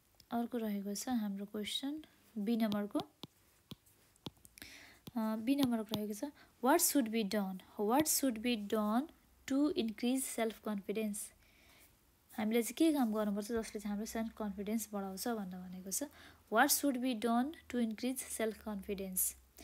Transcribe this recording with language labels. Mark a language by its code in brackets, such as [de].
[ne] Arko rahego cha hamro question b number ko rahego cha [en] What should be done to increase self-confidence? [ne] हामीले चाहिँ के काम गर्नुपर्छ जसले चाहिँ हाम्रो सेल्फ कन्फिडेन्स बढाउँछ भनेर भनेको छ. [en] What should be done to increase self-confidence?